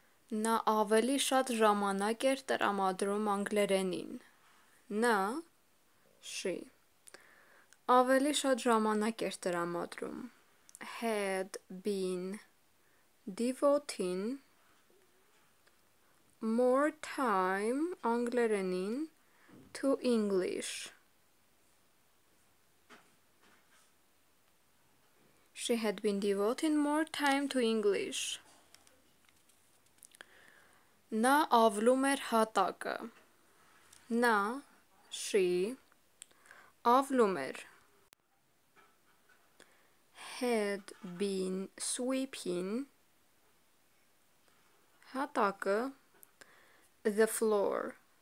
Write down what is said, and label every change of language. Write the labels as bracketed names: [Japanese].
[Armenian] Նա ավելի շատ ժամանակ էր տրամադրում անգլերենին։ Նա, [English] she, [Armenian] ավելի շատ ժամանակ էր տրամադրում։ [English] Had been devoting more time [Armenian] անգլերենին [English] to English. She had been devoting more time to English. [Armenian] Նա ավլում էր հատակը։ Նա, [English] she, [Armenian] ավլում էր։ [English] Had been sweeping [Armenian] հատակը, [English] the floor.